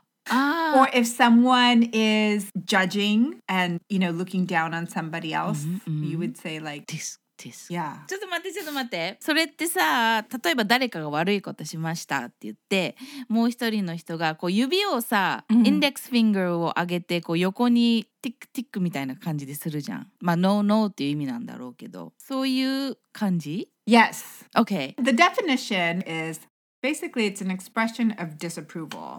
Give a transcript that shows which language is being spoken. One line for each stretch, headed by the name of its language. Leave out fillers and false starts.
English: Or if someone is judging and, you know, looking down on somebody else, mm-hmm. you would say like tisk. Yeah.
Japanese: ちょっと待ってちょっと待ってそれってさ例えば誰かが悪いことしましたって言ってもう一人の人がこう指をさ、mm-hmm. インデックスフィンガーを上げてこう横にティックティックみたいな感じでするじゃんまあノーノーっていう意味なんだろうけどそういう感じ
English: Yes. Okay. The definition is basically it's an expression of disapproval.